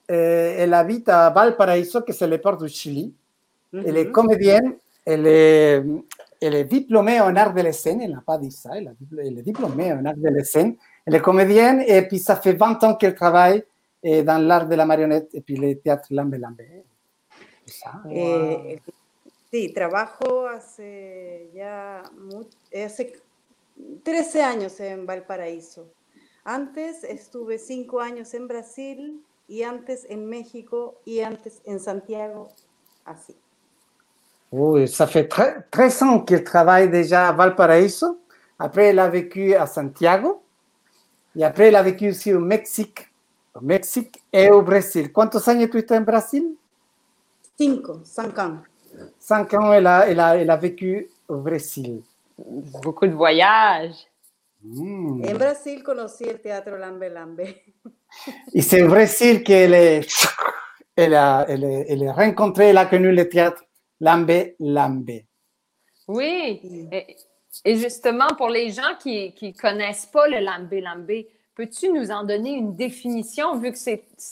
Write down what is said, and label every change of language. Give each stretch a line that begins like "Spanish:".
French: Elle habite à Valparaíso, qui est le port du Chili. Elle est comédienne. Elle est diplômée en art de la scène. Elle n'a pas dit ça. Elle est diplômée en art de la scène. Elle est comédienne. Et puis, ça fait 20 ans qu'elle travaille dans l'art de la marionnette et puis le théâtre Lambe-Lambe. Tout ça.
Spanish: Sí, trabajo hace ya hace 13 años en Valparaíso. Antes estuve 5 años en Brasil y antes en México y antes en Santiago, así.
French: Oui, ça fait 13 ans qu'elle travaille déjà à Valparaíso. Après, elle a vécu à Santiago. Et après, elle a vécu aussi au Mexique et au Brésil.
Spanish: Quantos años
French: tu étais en Brésil? 5 ans. 5 ans, elle a vécu au Brésil. Beaucoup de voyages.
Spanish: En Brasil conocí el teatro Lambe
French: Et c'est au Brésil qu'elle a rencontré, elle a connu le théâtre. Lambe, lambe. Oui, et justement, pour les gens qui connaissent pas le Lambe Lambe, peux-tu nous en donner une définition, vu que c'est